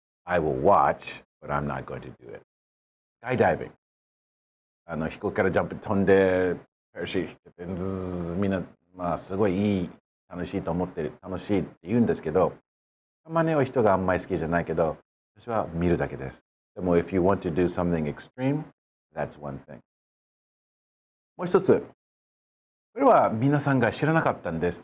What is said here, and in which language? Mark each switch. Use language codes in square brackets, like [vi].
[en] I will watch, but I'm not going to do it. Skydiving. [ja] 飛行機からジャンプ飛んで、パラシュート、みんな、まあ、すごいいい。楽しいと思ってる、楽しいって言うんですけど、たまには人があんまり好きじゃないけど、私は見るだけです。 [en] でも、if you want to do something extreme, that's one thing. [ja] もう一つ、これは皆さんが知らなかったんです。